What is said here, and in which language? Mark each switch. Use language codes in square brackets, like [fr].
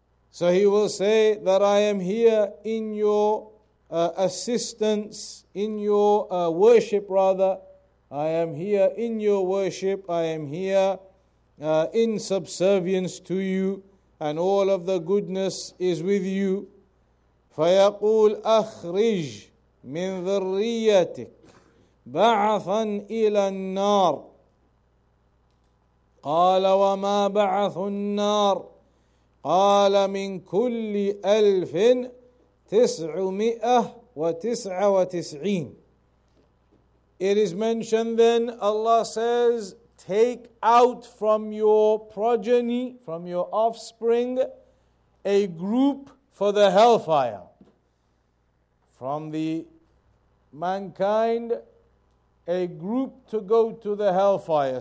[en] So he will say that I am here in your assistance, in your worship rather. I am here in your worship, I am here in subservience to you, and all of the goodness is with you. [ar] فيقول أخرج من ذريتك بعثا إلى النار قال وما بعث النار قال من كل ألف 999. [en] It is mentioned then, Allah says, take out from your progeny, from your offspring, a group for the hellfire. From the mankind, a group to go to the hellfire.